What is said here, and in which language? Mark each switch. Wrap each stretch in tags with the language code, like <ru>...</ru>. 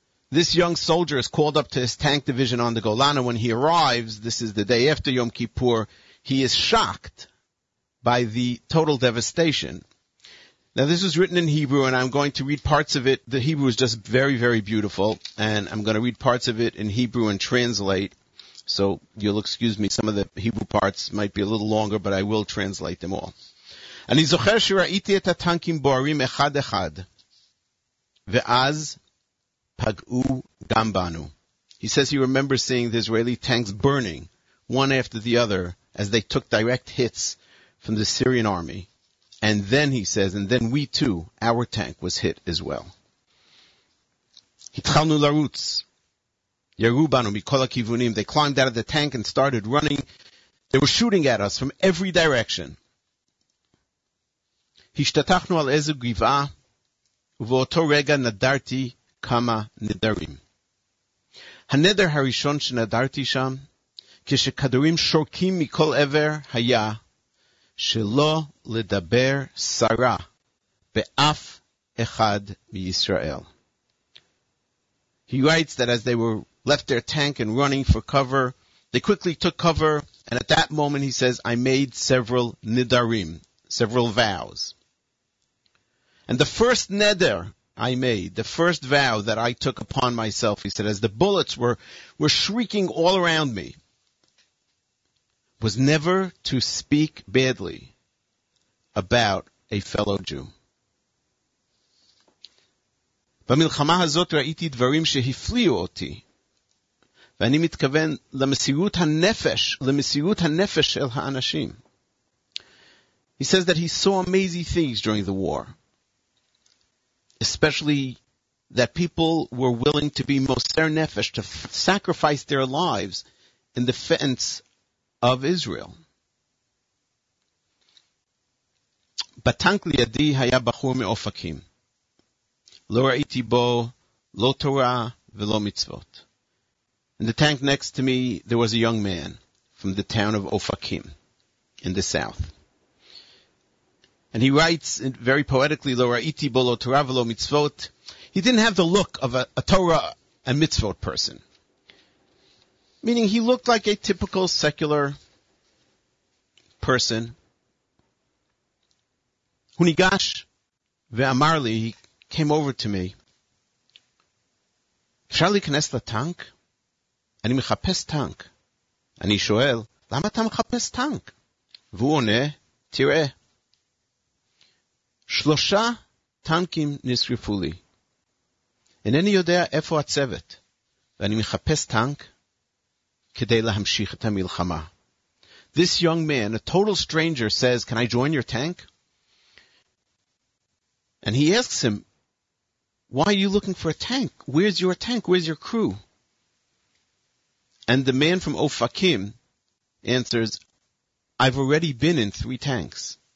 <en>This young soldier is called up to his tank division on the Golan. When he arrives, this is the day after Yom Kippur, he is shocked by the total devastation. Now, this was written in Hebrew, and I'm going to read parts of it. The Hebrew is just very, very beautiful, and I'm going to read parts of it in Hebrew and translate. So you'll excuse me, some of the Hebrew parts might be a little longer, but I will translate them all.</en> <he>אני זוכר שראיתי את הטנקים בוערים אחד אחד, ואז פגעו גם בנו.</he> <en>He says he remembers seeing the Israeli tanks burning one after the other as they took direct hits from the Syrian army. And then, he says, and then we too, our tank was hit as well.</en> <he>התחלנו לרוץ.</he> <en>They climbed out of the tank and started running. They were shooting at us from every direction.</en> <he>השתתחנו על איזו גבעה, ובאותו רגע נדרתי כמה נדרים. הנדר הראשון שנדרתי שם, כשכדורים שורקים מכל עבר, היה שלא לדבר סרה באף אחד מישראל.</he> <en>He writes that as they were left their tank and running for cover, they quickly took cover, and at that moment, he says, I made several nidarim, several vows. And the first neder I made, the first vow that I took upon myself, he said, as the bullets were shrieking all around me, was never to speak badly about a fellow Jew.</en> <he>במלחמה הזאת ראיתי דברים שהפליאו אותי. ואני מתכוון למסירות הנפש של האנשים.</he> <en>He says that he saw amazing things during the war, especially that people were willing to be moser nefesh, to sacrifice their lives in defense of Israel.</en> <he>בטנק לידי היה בחור מאופקים. לא ראיתי בו לא תורה ולא מצוות.</he> <en>In the tank next to me, there was a young man from the town of Ofakim in the south. And he writes very poetically,</en> <he>Lo ra'iti bo lo Torah v'lo mitzvot.</he> <en>He didn't have the look of a Torah and mitzvot person. Meaning he looked like a typical secular person.</en> <he>Hunigash ve'amarli,</he> <en>he came over to me. Shall I connect the tank?</en> <he>אני מחפש טנק. אני שואל, למה אתה מחפש טנק? והוא עונה, תראה. שלושה טנקים נשרפו לי. אינני יודע איפה הצוות. ואני מחפש טנק כדי להמשיך את המלחמה.</he> <en>This young man, a total stranger, says, can I join your tank? And he asks him, why are you looking for a tank? Where's your tank? Where's your crew? And the man from Ofakim answers, I've already been in three tanks.</en>